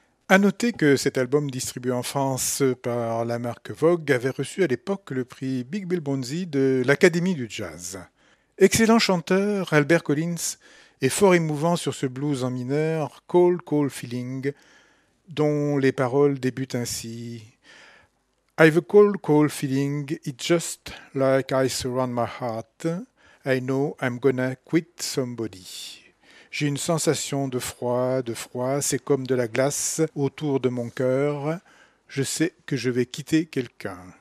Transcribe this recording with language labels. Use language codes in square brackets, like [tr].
[fr] À noter que cet album distribué en France par la marque Vogue avait reçu à l'époque le prix Big Bill Bonzi de l'Académie du Jazz. Excellent chanteur, Albert Collins est fort émouvant sur ce blues en mineur, Cold Cold Feeling, dont les paroles débutent ainsi. [en] I've a cold cold feeling, it's just like ice around my heart, I know I'm gonna quit somebody. [fr] J'ai une sensation de froid, c'est comme de la glace autour de mon cœur. Je sais que je vais quitter quelqu'un.